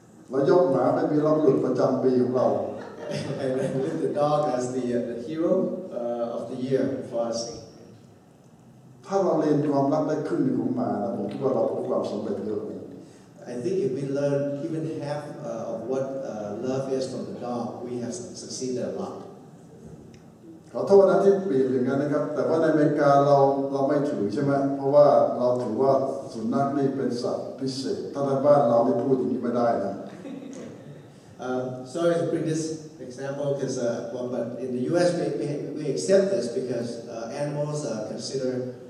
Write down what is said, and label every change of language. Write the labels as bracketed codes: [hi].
[th] เรายกหมาไม่มีรับหลุดประจำปีของเรา [en] And the dog as the hero of the year for us. [th] ถ้าเราเรียนความรักได้ครึ่งหนึ่งของหมานะผมคิดว่าเราพบความสำเร็จเยอะ [en] I think if we learn even half of what love is from the dog, we have succeeded a lot. [th] ขอโทษนะที่เปลี่ยนอย่างนั้นนะครับแต่ว่าในอเมริกาเราไม่ถือใช่ไหมเพราะว่าเราถือว่าสุนัขนี่เป็นสัตว์พิเศษถ้าในบ้านเราไม่พูดอย่างนี้ไม่ได้นะ [en] sorry to bring this example because well but in the U.S. we accept this because animals are considered